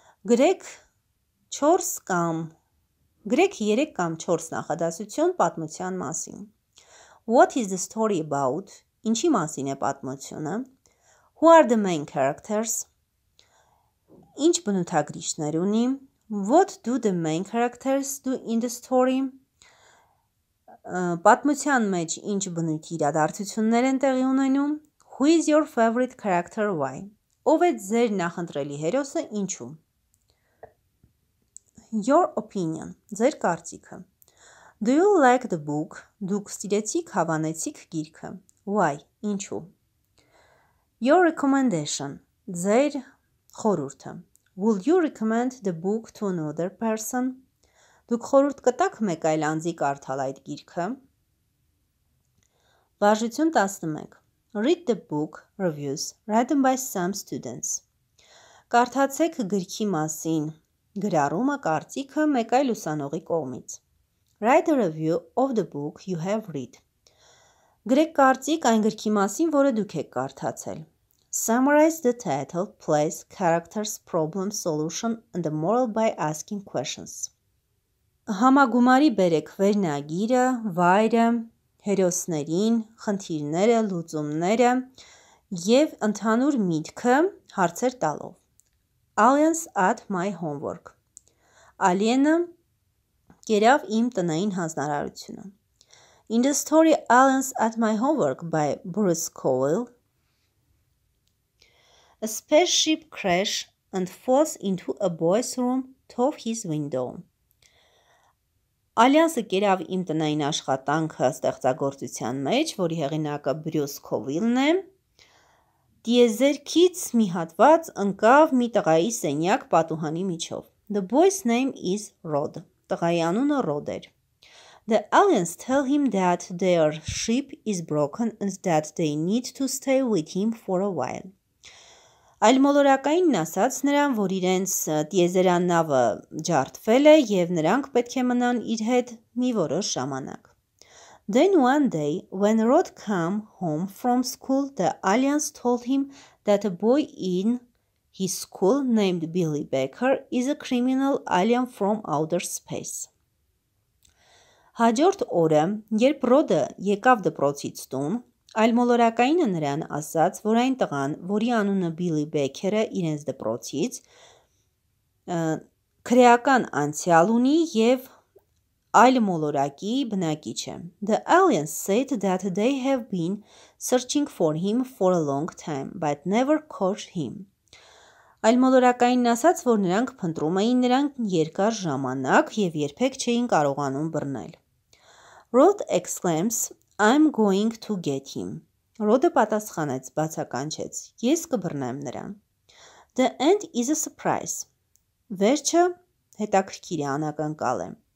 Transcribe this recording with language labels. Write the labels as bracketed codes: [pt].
[hy] Գրեք 3 կամ 4 նախադասություն պատմության մասին. [en] What is the story about? [hy] Ինչի մասին է պատմությունը? [en] Who are the main characters? [hy] Ինչ բնութագրիչներ ունի? [en] What do the main characters do in the story? [hy] Պատմության մեջ ինչ բնույթի իրադարձություններ են տեղի ունենում? [en] Who is your favorite character? Why? [hy] Ով է ձեր նախընտրելի հերոսը, ինչու? [en] Your opinion. [hy] Ձեր կարծիքը. [en] Do you like the book? [hy] Դուք սիրեցիք, հավանեցիք գիրքը. [en] Why? [hy] Ինչու? [en] Your recommendation. [hy] Ձեր խորհուրդը. [en] Will you recommend the book to another person? [hy] Դուք խորհուրդ կտաք մեկ այլ անձի կարդալ այդ գիրքը? Բաժություն 11. [en] Read the book reviews written by some students. [hy] Կարդացեք գրքի մասին գրառումը կարծիքը մեկ այլ ուսանողի կողմից. [en] Write a review of the book you have read. [hy] Գրեք կարծիք այն գրքի մասին, որը դուք եք կարդացել. [en] Summarize the title, place, characters, problem, solution, and the moral by asking questions. [hy] Համագումարի բերեք վերնագիրը, վայրը, հերոսներին, խնդիրները, լուծումները և ընդհանուր միտքը հարցեր տալով. [en] Aliens at my homework. [hy] Ալիենը կերավ իմ տնային հանձնարարությունը. [en] In the story Aliens at my homework by Bruce Cowell, a spaceship crash and falls into a boy's room top his window. [hy] Ալիանսը կերավ իմ տնային աշխատանքը ստեղծագործության մեջ, որի հեղինակը Բրյուս Քովիլն է, դիեզերքից մի հատված ընկավ մի տղայի սենյակ պատուհանի միջով. [en] The boy's name is Rod. [hy] Տղայի անունը Rod էր. [en] The aliens tell him that their ship is broken and that they need to stay with him for a while. [hy] Այլ մոլորակայինն ասաց նրան, որ իրենց տիեզերան նավը ջարդվել է և նրանք պետք է մնան իր հետ մի որոշ ժամանակ. [en] Then one day, when Rod came home from school, the aliens told him that a boy in his school named Billy Baker is a criminal alien from outer space. [hy] Հաջորդ օրը, երբ Rod-ը եկավ դպրոցից տուն, այլ մոլորակայինը նրան ասաց, որ այն տղան, որի անունը Բիլի Բեքերը իրենց դպրոցից, քրեական անցյալ ունի և այլ մոլորակի բնակիչ է. [en] The aliens said that they have been searching for him for a long time, but never caught him. [hy] Այլ մոլորակայինն ասաց, որ նրանք փնտրում էին նրանք երկար ժամանակ և երբեք չէին կարողանում բռնել. [en] Rod exclaims, I'm going to get him. [hy] Rod-ը պատասխանեց, բացականչեց. Ես կբռնեմ նրան. [en] The end is a surprise. [hy] Վերջը հետաքրքիր է, անակնկալ է.